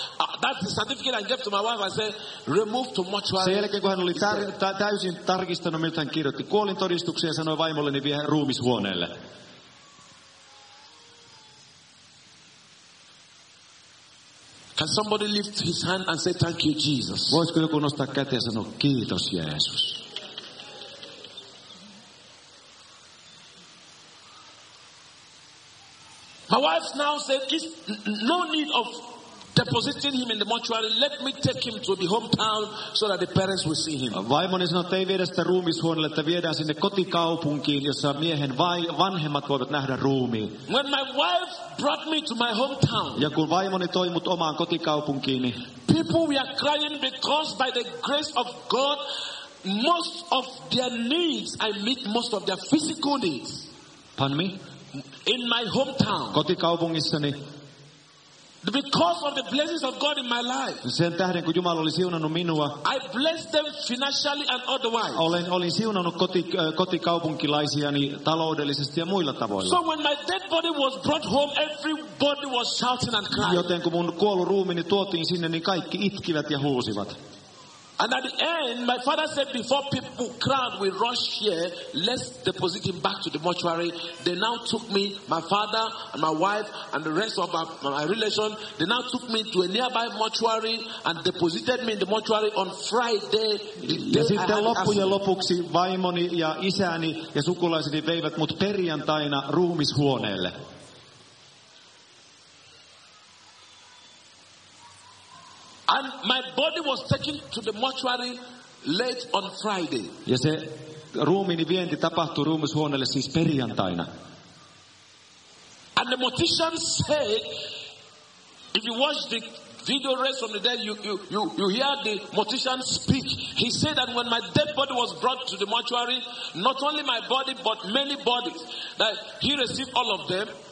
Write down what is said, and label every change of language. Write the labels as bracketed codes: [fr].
[en] That's the certificate I gave to my wife. I said, remove to mortuary. [fi] Sen jälkeen, kun hän oli täysin tarkistanut, miltä hän kirjoitti kuolin todistuksen ja sanoi vaimolleni, vie ruumis huoneelle. [en] Can somebody lift his hand and say thank you, Jesus? [fi] Voisiko joku nostaa käteen ja sanoa kiitos, Jeesus? [en] My wife now said, "There's no need of depositing him in the mortuary. Let me take him to the hometown so that the parents will see him." [fi] Vaimoni sanoi, että ei viedä sitä ruumishuoneelle, että viedään sinne kotikaupunkiin, jossa miehen vanhemmat voivat nähdä ruumiin. [en] When my wife brought me to my hometown, [fi] ja kun vaimoni toi mut omaan kotikaupunkiini, [en] people were crying because by the grace of God, most of their needs, I meet most of their physical needs. Pardon me? In my hometown. [fi] Kotikaupungissani. [en] Because of the blessings of God in my life. [fi] Sen tähden, kun Jumala oli siunannut minua. [en] I bless them financially and otherwise. [fi] Olin siunannut kotikaupunkilaisiani taloudellisesti ja muilla tavoilla. [en] So when my dead body was brought home, everybody was shouting and crying. [fi] Joten kun mun kuollut ruumiini tuotiin sinne, niin kaikki itkivät ja huusivat. [en] And at the end, my father said, before people crowd, we rush here, let's deposit him back to the mortuary. They now took me, my father and my wife and the rest of my relation, they now took me to a nearby mortuary and deposited me in the mortuary on Friday. [fi] Ja sitten loppujen lopuksi vaimoni ja isäni ja sukulaiseni veivät mut perjantaina ruumishuoneelle. [en] And my body was taken to the mortuary late on Friday. [fi] Ja se ruumiini vienti tapahtui ruumishuoneelle siis perjantaina. [en] the magicians say, if you watch the video raised from the dead, you hear the magician speak. He said that when my dead body was brought to the mortuary, not only my body but many bodies, that he received all of them.